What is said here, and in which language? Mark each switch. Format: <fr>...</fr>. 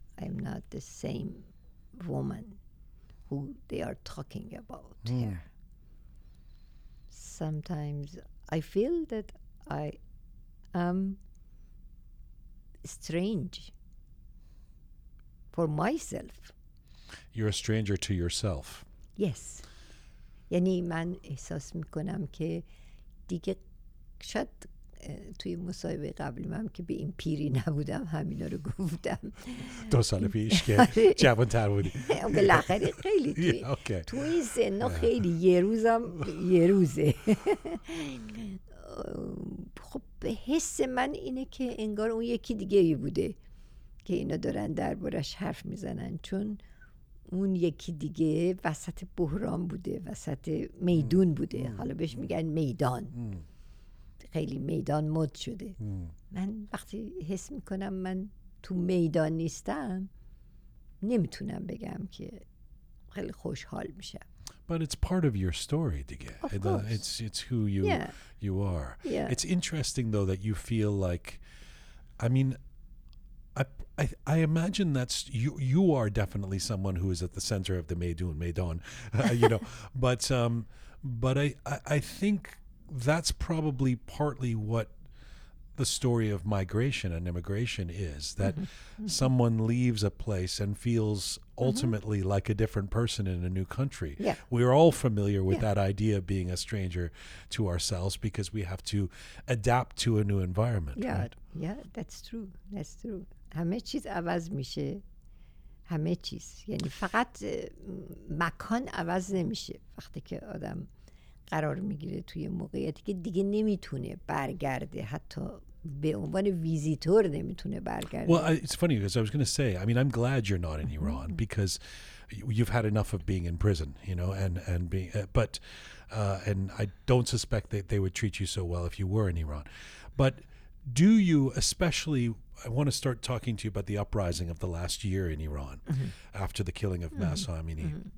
<en>I am not the same woman who they are talking about here. Sometimes I feel that I am strange for myself. You're a stranger to yourself. Yes.</en> <fa>یعنی من احساس میکنم که دیگه شاید توی مصاحبه قبلی من که به این پیری نبودم همینا رو گفتم. دو سال پیش که جوان تر بودی. بالاخره خیلی توی سن خیلی یه روزم یه روزه. خب حس من اینه که انگار اون یکی دیگه ای بوده که اینا دارن دربارش حرف میزنن، چون اون یکی دیگه وسط بحران بوده، وسط میدون بوده. حالا بهش میگن میدان. خیلی میدان مد شده. من وقتی حس میکنم من تو میدان نیستم، نمیتونم بگم که خیلی خوشحال میشم.</fa> <en>But it's part of your story, دیگه. It's who you you are. Yeah. It's interesting though that you feel like, I mean, I imagine that's you are definitely someone who is at the center of the Maidan, you know. but I think that's probably partly what the story of migration and immigration is, that someone leaves a place and feels ultimately like a different person in a new country. Yeah. We're all familiar with that idea of being a stranger to ourselves because we have to adapt to a new environment. Yeah, right? Yeah, that's true. That's true.</en> <fa>همه چیز عوض میشه، همه چیز، یعنی فقط مکان عوض نمیشه. وقتی که آدم قرار میگیره توی موقعیتی که دیگه نمیتونه برگرده، حتی به عنوان ویزیتور نمیتونه برگرده.</fa> <en>Well, it's funny because I was going to say, I mean, I'm glad you're not in Iran because you've had enough of being in prison, you know, and being and I don't suspect that they would treat you so well if you were in Iran. But do you, especially, I want to start talking to you about the uprising of the last year in Iran after the killing of Mahsa Amini.</en>